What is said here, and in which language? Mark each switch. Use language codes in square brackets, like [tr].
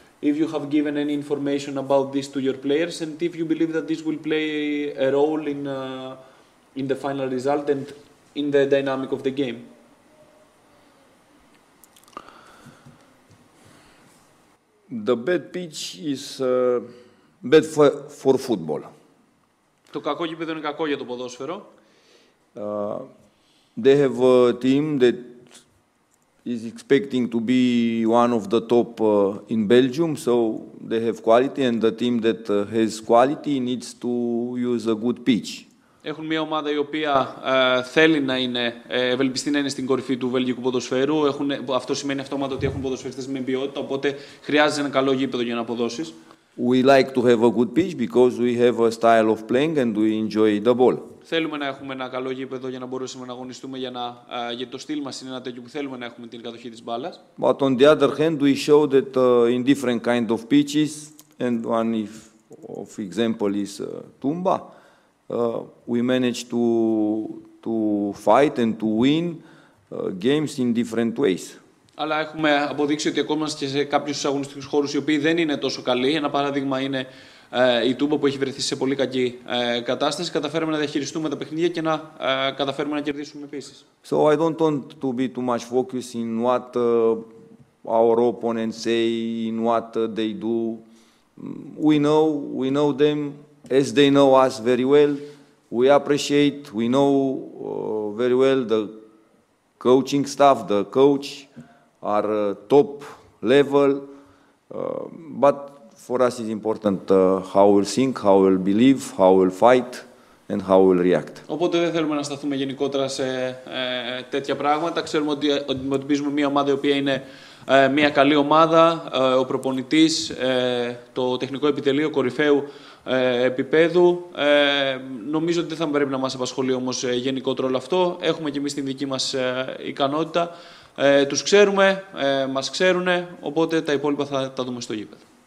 [en] If you have given any information about this to your players and if you believe that this will play a role in the final result and in the dynamic of the game. The bad pitch is bad for football. [el] Το κακό γήπεδο είναι κακό για το ποδόσφαιρο. [en] They have a team that is expecting to be one of the top in Belgium, so they have quality and the team that has quality needs to use a good pitch. [el] Έχουν μια ομάδα η οποία θέλει να είναι, ευελπιστεί να είναι στην κορυφή του βελγικού ποδοσφαίρου. Έχουν, αυτό σημαίνει αυτόματα ότι έχουν ποδοσφαιριστές με ποιότητα, οπότε χρειάζεται ένα καλό γήπεδο για να αποδώσεις. [en] We like to have a good pitch because we have a style of playing and we enjoy the ball. [el] Θέλουμε να έχουμε ένα καλό γήπεδο για να μπορέσουμε να αγωνιστούμε για να, γιατί το στυλ μας είναι ένα τέτοιο που θέλουμε να έχουμε την κατοχή της μπάλας. [en] But on the other hand, we show that in different kind of pitches and one of example is Tumba. We managed to fight and to win games in different ways. [el] Αλλά έχουμε αποδείξει ότι ακόμα και σε κάποιους αγωνιστικούς χώρους οι οποίοι δεν είναι τόσο καλοί, ένα παράδειγμα είναι η Τούμπα που έχει βρεθεί σε πολύ κακή κατάσταση, καταφέραμε να διαχειριστούμε τα παιχνίδια και να καταφέρουμε να κερδίσουμε επίσης. [en] So I don't want to be too much focused in what our opponents say, in what they do. We know them. As they know us very well, we appreciate, we know very well the coaching staff, the coach, our top level, but for us it's important how we'll think, how we'll believe, how we'll fight and how we'll react. [el] Οπότε δεν θέλουμε να σταθούμε γενικότερα σε τέτοια πράγματα. Ξέρουμε ότι αντιμετωπίζουμε μια ομάδα η οποία είναι μια καλή ομάδα, ο προπονητής, το τεχνικό επιτελείο κορυφαίου επιπέδου. Νομίζω ότι δεν θα πρέπει να μας απασχολεί όμως γενικότερο όλο αυτό. Έχουμε και εμείς την δική μας ικανότητα. Τους ξέρουμε, μας ξέρουν, οπότε τα υπόλοιπα θα τα δούμε στο γήπεδο.